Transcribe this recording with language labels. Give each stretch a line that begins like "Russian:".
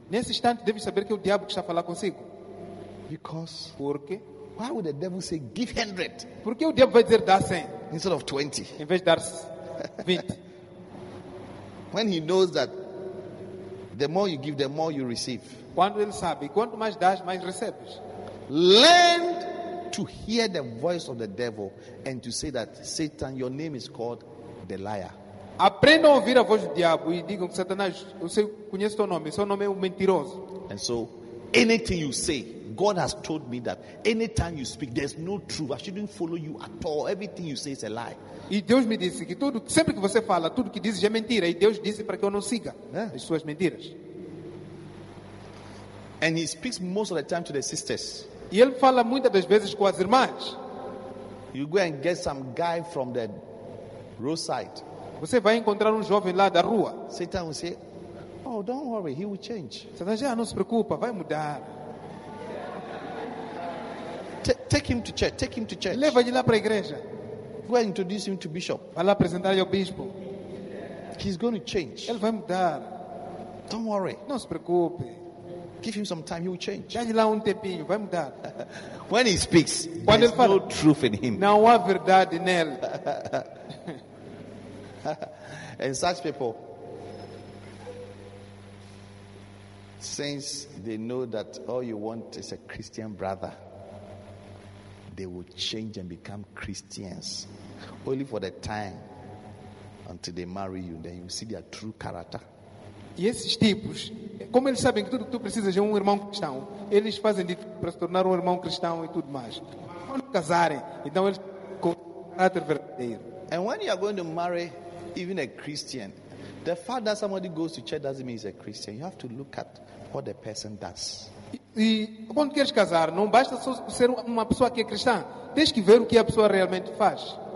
Portuguese: Nesse instante deve saber que é o diabo que está a falar consigo.
English: Because
Portuguese: porque
English: why would the devil say give 100?
Portuguese: Por que o diabo vai dizer dá 100?
English: Instead of 20.
Portuguese: Em vez de dar 20.
English: When he knows that The more you give, the more you receive.
Portuguese: Quando ele sabe, quanto mais dás, mais recebes.
English: Learn to hear the voice of the devil and to say that Satan, your name is called the liar.
Portuguese: Aprenda a ouvir a voz do diabo e digam que Satanás, você conhece teu nome, seu nome é o mentiroso.
English: And so, anything you say, God has told me that anytime you speak, there's no truth. I shouldn't follow you at all. Everything you say is a lie.
Portuguese: E Deus me disse que tudo, sempre que você fala, tudo que dizes é mentira. E Deus disse para que eu não siga as suas mentiras.
English: And he speaks most of the time to the sisters.
Portuguese: E ele fala muitas das vezes com as irmãs.
English: You go and get some guy from the roadside.
Portuguese: Você vai encontrar jovem lá da rua.
English: Satan will say, oh, don't worry, he will change.
Portuguese: Satan já não se preocupa, vai mudar.
English: Take him to church, take him to church.
Portuguese: Leva-lhe lá para a igreja.
English: Go and introduce him to bishop.
Portuguese: Vai lá apresentar ao bispo.
English: He's going to change.
Portuguese: Ele vai mudar.
English: Don't worry.
Portuguese: Não se preocupe.
English: Give him some time, he will change.
Portuguese: Dá-lhe lá tempinho, vai mudar.
English: When he speaks,
Portuguese: quando
English: there's
Portuguese: fala,
English: no truth in him.
Portuguese: Não há verdade nele.
English: And such people, since they know that all you want is a Christian brother, they will change and become Christians only for the time until they marry you. Then you see their true character.
Portuguese: E esses tipos, como eles sabem que tudo que tu precisas é irmão cristão, eles fazem de tudo para se tornar irmão cristão e tudo mais. Quando casarem, então eles com caráter verdadeiro.
English: And when you are going to marry even a Christian, the fact that somebody goes to church doesn't mean he's a Christian. You have to look at what the person does.
Portuguese: E quando queres casar, não basta só ser uma pessoa que é cristã, tens que ver o que a pessoa realmente faz.